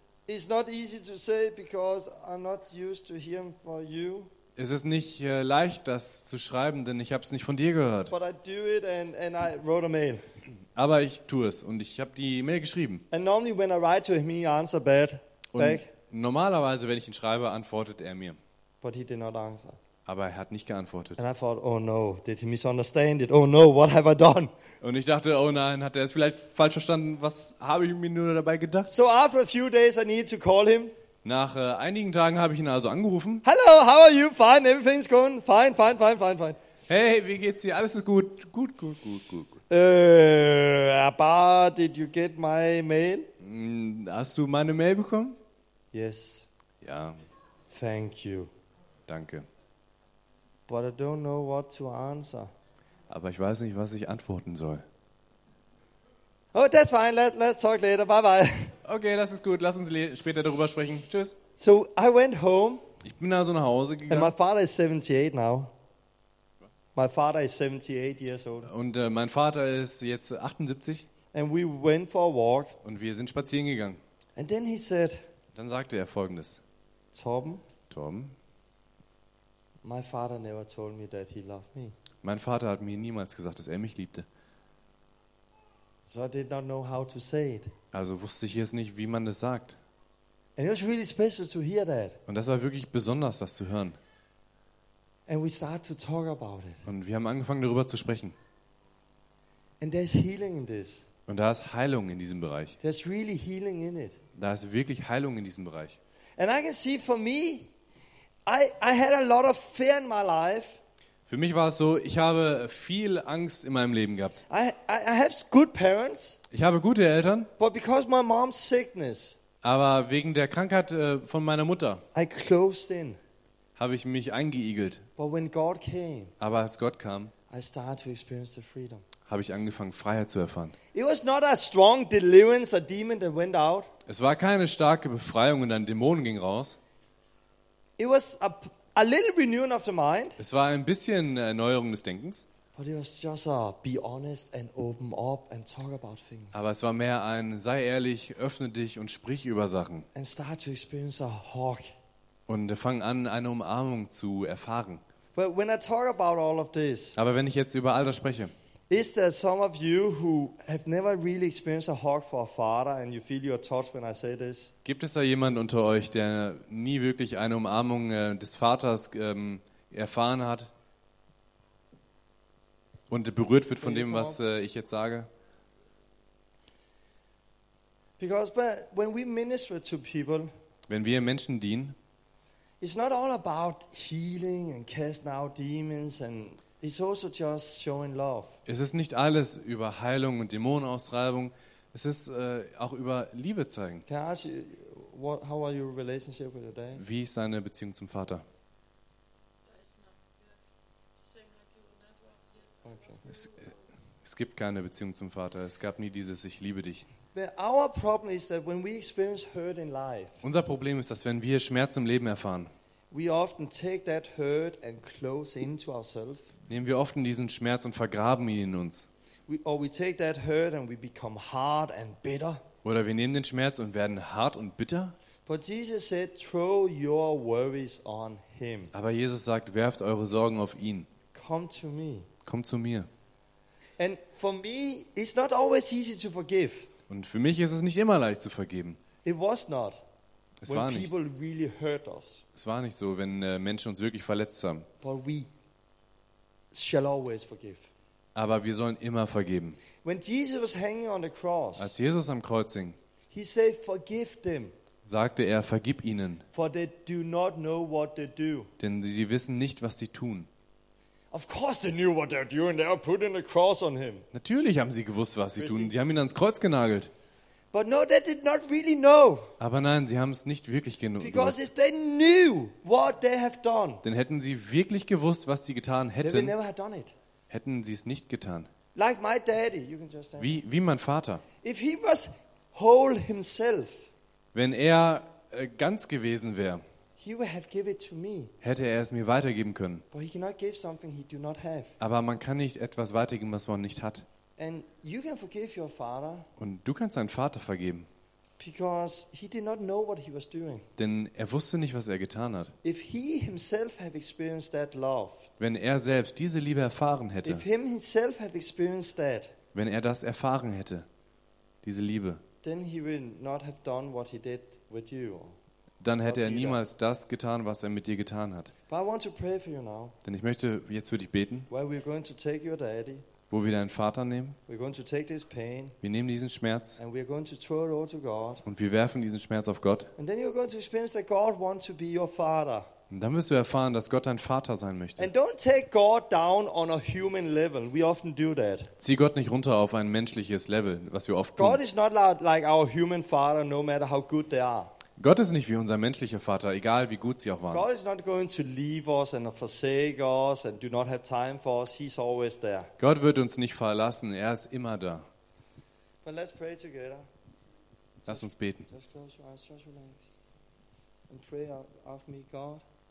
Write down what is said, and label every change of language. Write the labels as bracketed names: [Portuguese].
[English] It's not easy to say because I'm not used to hearing from you. [German] Es ist nicht leicht, das zu schreiben, denn ich habe es nicht von dir gehört. [English] But I do it and I wrote a mail. [German] Aber ich tue es und ich habe die Mail geschrieben. [English] And normally when I write to him, he answers back. [German] Und normalerweise, wenn ich ihn schreibe, antwortet er mir. [English] But he did not answer. [German] Aber er hat nicht geantwortet. [English] And I thought, oh no, did he misunderstand it? Oh no, what have I done? [German] Und ich dachte, oh nein, hat er es vielleicht falsch verstanden? Was habe ich mir nur dabei gedacht? [English] So after a few days I need to call him. [German] Nach einigen Tagen habe ich ihn also angerufen. [English] Hello, how are you? Fine, everything's going fine, fine, fine, fine, fine. [German] Hey, wie geht's dir? Alles ist gut. Gut, gut, gut, gut, gut. [English] About, did you get my mail? [German] Hast du meine Mail bekommen? [English] Yes. [German] Ja. [English] Thank you. [German] Danke. [English] But I don't know what to answer. [German] Aber ich weiß nicht, was ich antworten soll. [English] Oh, that's fine. Let's talk later. Bye bye. [German] Okay, das ist gut. Lass uns später darüber sprechen. Tschüss. [English] So, I went home. [German] Ich bin also nach Hause gegangen. [English] And my father is 78 now. My father is 78 years old. [German] Und mein Vater ist jetzt 78. [English] And we went for a walk. [German] Und wir sind spazieren gegangen. [English] And then he said. [German] Dann sagte er Folgendes. Torben. [English] My father never told me that he loved me. [German] Mein Vater hat mir niemals gesagt, dass er mich liebte. [English] So I did not know how to say it. [German] Also wusste ich jetzt nicht, wie man das sagt. [English] And it was really special to hear that. [German] Und das war wirklich besonders, das zu hören. [English] And we start to talk about it. [German] Und wir haben angefangen, darüber zu sprechen. [English] And there's healing in this. [German] Und da ist Heilung in diesem Bereich. [English] There's really healing in it. [German] Da ist wirklich Heilung in diesem Bereich. [English] And I can see for me, I had a lot of fear in my life. [German] Für mich war es so, ich habe viel Angst in meinem Leben gehabt. [English] I have good parents. [German] Ich habe gute Eltern. [English] But because my mom's sickness. [German] Aber wegen der Krankheit von meiner Mutter. [English] I closed in. [German] Habe ich mich eingeigelt. [English] But when God came. [German] Aber als Gott kam. [English] I started to experience the freedom. [German] Habe ich angefangen, Freiheit zu erfahren. [English] It was not a strong deliverance, a demon that went out. [German] Es war keine starke Befreiung und ein Dämon ging raus. [English] It was a little renewing of the mind. [German] Es war ein bisschen Erneuerung des Denkens. [English] But it was just a be honest and open up and talk about things. [German] Aber es war mehr ein sei ehrlich, öffne dich und sprich über Sachen. [English] And start to experience a hug. [German] Und fang an, eine Umarmung zu erfahren. [English] But when I talk about all of this. [German] Aber wenn ich jetzt über all das spreche. [English] Is there some of you who have never really experienced a hug for a father and you feel you're touched when I say this? [German] Gibt es da jemand unter euch, der nie wirklich eine Umarmung des Vaters erfahren hat und berührt wird von dem, was ich jetzt sage? [English] Because when we minister to people, [German] wenn wir Menschen dienen, [English] it's not all about healing and casting out demons and it's also just showing love. [German] Es ist nicht alles über Heilung und Dämonenaustreibung. Es ist auch über Liebe zeigen. [English] Can I ask you, how are your relationship with your dad? [German] Wie ist seine Beziehung zum Vater? Es gibt keine Beziehung zum Vater. Es gab nie dieses "Ich liebe dich". [English] Our problem is that when we experience hurt in life. [German] Unser Problem ist, dass wenn wir Schmerz im Leben erfahren. [English] We often take that hurt and close into ourselves. [German] Nehmen wir oft diesen Schmerz und vergraben ihn in uns. [English] We take that hurt and we become hard and bitter. [German] Oder wir nehmen den Schmerz und werden hart und bitter. [English] But Jesus said, throw your worries on him. [German] Aber Jesus sagt, werft eure Sorgen auf ihn. [English] Come to me. [German] Kommt zu mir. [English] And for me, it's not always easy to forgive. [German] Und für mich ist es nicht immer leicht zu vergeben. [English] It was not. [German] Es war nicht. [English] People really hurt us. [German] Es war nicht so, wenn Menschen uns wirklich verletzt haben. [English] But we shall always forgive. [German] Aber wir sollen immer vergeben. [English] When Jesus was hanging on the cross, [German] als Jesus am Kreuz hing, [English] he said, "Forgive them." [German] Sagte er, vergib ihnen. [English] For they do not know what they do. [German] Denn sie wissen nicht, was sie tun. [English] Of course they knew what they're doing. They were putting a cross on him. [German] Natürlich haben sie gewusst, was sie tun. Sie haben ihn ans Kreuz genagelt. [English] But no, they did not really know. [German] Aber nein, sie haben es nicht wirklich gewusst. [English] Because if they knew what they have done. [German] Denn hätten sie wirklich gewusst, was sie getan hätten. [English] They would never have done it. [German] Hätten sie es nicht getan. [English] Like my daddy, you can just say. [German] Wie mein Vater. [English] If he was whole himself. [German] Wenn er ganz gewesen wäre. [English] He would have given it to me. [German] Hätte er es mir weitergeben können. [English] But he cannot give something he do not have. [German] Aber man kann nicht etwas weitergeben, was man nicht hat. [English] And you can forgive your father. [German] Und du kannst deinen Vater vergeben. [English] Because he did not know what he was doing. [German] Denn er wusste nicht, was er getan hat. [English] If he himself have experienced that love. [German] Wenn er selbst diese Liebe erfahren hätte. [English] If him himself have experienced that. [German] Wenn er das erfahren hätte, diese Liebe. [English] Then he would not have done what he did with you. [German] dann hätte er niemals das getan, was er mit dir getan hat. Denn ich möchte jetzt für dich beten, wo wir deinen Vater nehmen. Wir nehmen diesen Schmerz und wir werfen diesen Schmerz auf Gott. Und dann wirst du erfahren, dass Gott dein Vater sein möchte. Und dann wirst du erfahren, dass Gott dein Vater sein möchte. [English] And don't take God down on a human level. We often do that. [German] Zieh Gott nicht runter auf ein menschliches Level, was wir oft tun. [English] God is not like our human father, no matter how good they are. [German] Gott ist nicht wie unser menschlicher Vater, egal wie gut sie auch waren. [English] God is not going to leave us and forsake us and do not have time for us. He's always there. [German] Gott wird uns nicht verlassen, er ist immer da. [English] But let's pray together. [German] Lass uns beten. [English] Just close your eyes, stretch your legs and pray after me, God.